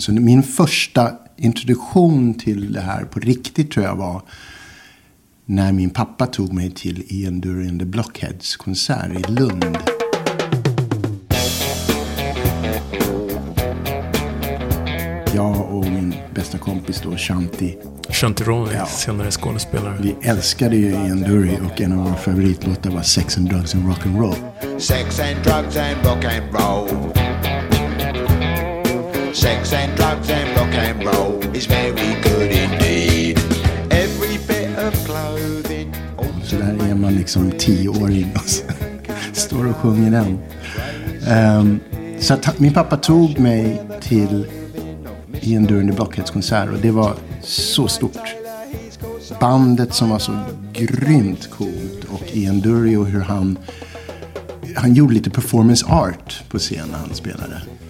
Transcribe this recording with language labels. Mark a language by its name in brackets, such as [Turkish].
[Swedish] Så min första introduktion till det här på riktigt tror jag var när min pappa tog mig till Ian Dury and the Blockheads konsert i Lund. Jag och min bästa kompis då, Shanti. Shanti Ronis, ja. Senare skådespelare. Vi älskade ju Ian Dury och en av våra favoritlåtar var Sex and Drugs and Rock and Roll. [English] Sex and Drugs and Rock and Roll. Sex and Drugs and Rock and Roll is very good indeed. Every bit of clothing. [Swedish] Så där är man liksom 10-åring och så står och sjunger den. Så min pappa tog mig till Ian Dury and the Blockheads konsert och det var så stort. Bandet som var så grymt coolt och Ian Dury och hur han gjorde lite performance art på scen när han spelade.